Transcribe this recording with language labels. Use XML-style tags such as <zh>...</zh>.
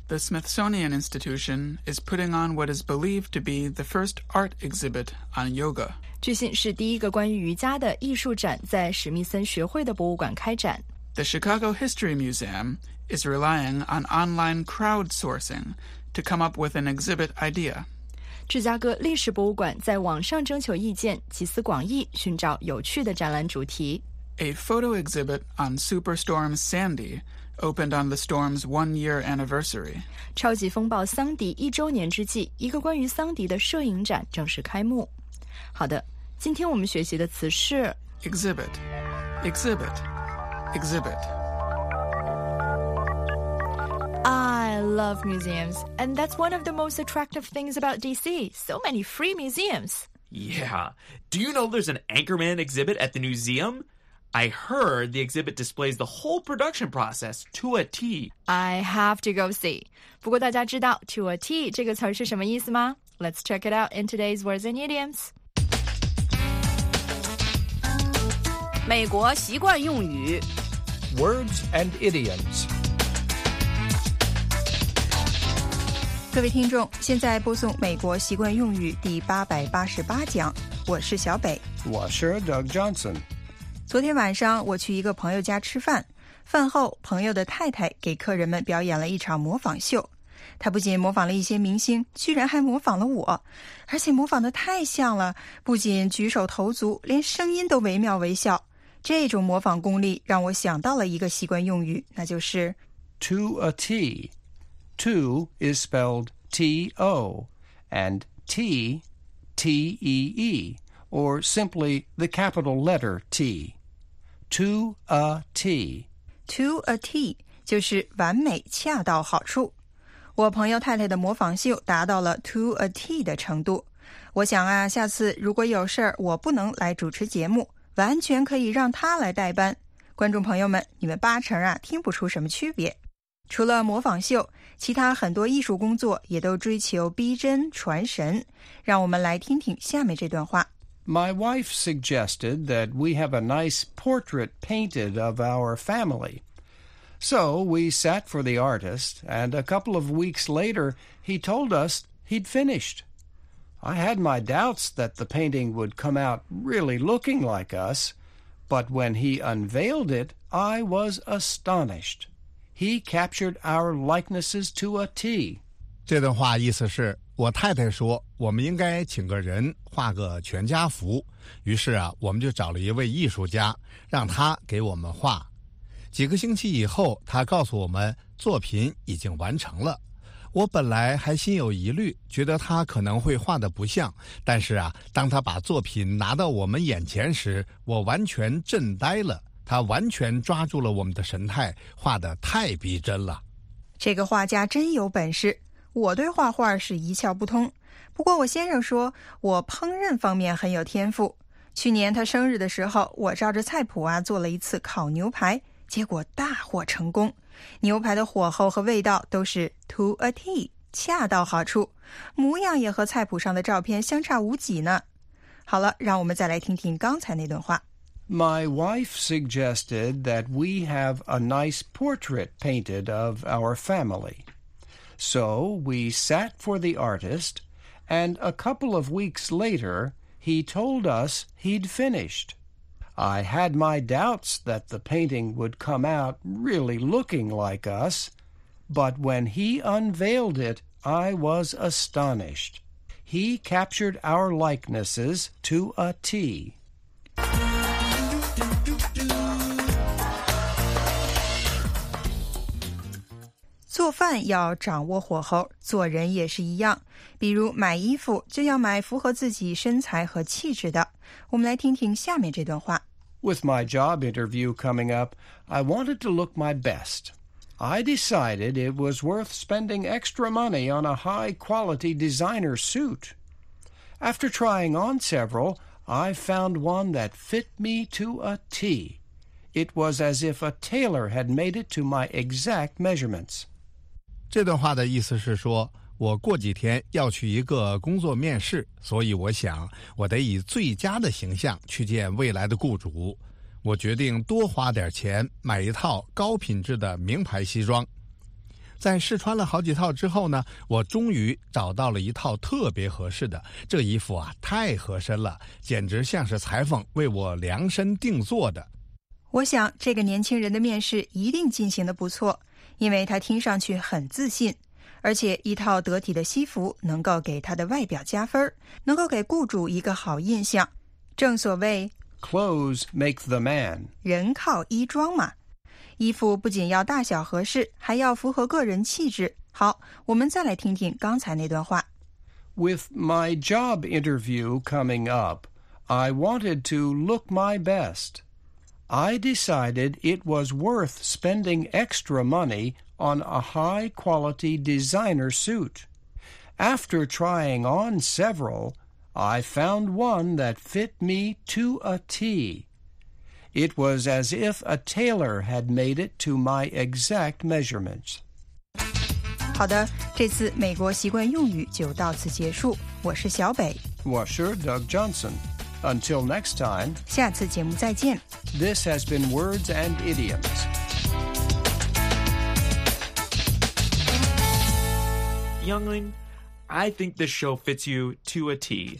<en>The Smithsonian Institution is putting on what is believed to be the first art exhibit on yoga.</en> <zh>据信是第一个关于瑜伽的艺术展在史密森学会的博物馆开展。</zh> <en>The Chicago History Museum is relying on online crowdsourcing to come up with an exhibit idea.</en> <zh>芝加哥历史博物馆在网上征求意见，集思广益，寻找有趣的展览主题。</zh> <en>A photo exhibit on Superstorm Sandy opened on the storm's one-year anniversary.</en> <zh>超级风暴桑迪一周年之际，一个关于桑迪的摄影展正式开幕。好的，今天我们学习的词是</zh> <en>exhibit, exhibit, exhibit. I love museums, and that's one of the most attractive things about DC. So many free museums. Yeah. Do you know there's an Anchorman exhibit at the museum? I heard the exhibit displays the whole production process to a T. I have to go see.</en> <zh>不过大家知道</zh> <en>to a T</en> <zh>这个词是什么意思吗?</zh> <en>Let's check it out in today's Words and Idioms.</en> <zh>美国习惯用语</zh> <en>Words and Idioms.</en> <zh>各位听众，现在播送美国习惯用语第888讲，我是小北，我是 Doug Johnson。昨天晚上我去一个朋友家吃饭，饭后朋友的太太给客人们表演了一场模仿秀，她不仅模仿了一些明星，居然还模仿了我，而且模仿得太像了，不仅举手投足，连声音都惟妙惟肖。这种模仿功力让我想到了一个习惯用语，那就是</zh> <en>To a T。 To is spelled T-O, and T, T-E-E, or simply the capital letter T. To a T. To a T</en> <zh>就是完美恰到好处。我朋友太太的模仿秀达到了</zh> <en>to a T</en> <zh>的程度。我想啊，下次如果有事儿我不能来主持节目，完全可以让她来代班。观众朋友们，你们八成啊听不出什么区别。除了模仿秀，其他很多艺术工作也都追求逼真传神。让我们来听听下面这段话。</zh> <en>My wife suggested that we have a nice portrait painted of our family. So we sat for the artist, and a couple of weeks later, he told us he'd finished. I had my doubts that the painting would come out really looking like us, but when he unveiled it, I was astonished. He captured our likenesses to a T.</en> <zh>这段话意思是，我太太说，我们应该请个人画个全家福。于是啊，我们就找了一位艺术家，让他给我们画。几个星期以后，他告诉我们作品已经完成了。我本来还心有疑虑，觉得他可能会画得不像，但是啊，当他把作品拿到我们眼前时，我完全震呆了。他完全抓住了我们的神态，画得太逼真了。这个画家真有本事，我对画画是一窍不通，不过我先生说我烹饪方面很有天赋。去年他生日的时候，我照着菜谱啊做了一次烤牛排，结果大获成功。牛排的火候和味道都是</zh> <en>to a T，</en> <zh>恰到好处，模样也和菜谱上的照片相差无几呢。好了，让我们再来听听刚才那段话。</zh> <en>My wife suggested that we have a nice portrait painted of our family. So we sat for the artist, and a couple of weeks later, he told us he'd finished. I had my doubts that the painting would come out really looking like us, but when he unveiled it, I was astonished. He captured our likenesses to a T.</en> <zh>做饭要掌握火候，做人也是一样。比如买衣服就要买符合自己身材和气质的。我们来听听下面这段话。</zh> <en>With my job interview coming up, I wanted to look my best. I decided it was worth spending extra money on a high-quality designer suit. After trying on several, I found one that fit me to a T. It was as if a tailor had made it to my exact measurements.</en> <zh>这段话的意思是说，我过几天要去一个工作面试，所以我想我得以最佳的形象去见未来的雇主。我决定多花点钱买一套高品质的名牌西装。在试穿了好几套之后呢，我终于找到了一套特别合适的。这衣服啊，太合身了，简直像是裁缝为我量身定做的。我想这个年轻人的面试一定进行得不错，因为他听上去很自信，而且一套得体的西服能够给他的外表加分，能够给雇主一个好印象。正所谓</zh> <en>Clothes make the man，</en> <zh>人靠衣装嘛。衣服不仅要大小合适，还要符合个人气质。好，我们再来听听刚才那段话。 With my job interview coming up, I wanted to look my bestI decided it was worth spending extra money on a high-quality designer suit. After trying on several, I found one that fit me to a T. It was as if a tailor had made it to my exact measurements. 好的，这次美国习惯用语就到此结束。我是小北。我是 Doug Johnson.</zh> <en>Until next time,</en> <zh>下次节目再见。</zh> <en>This has been Words and Idioms. Youngling, I think this show fits you to a T.</en>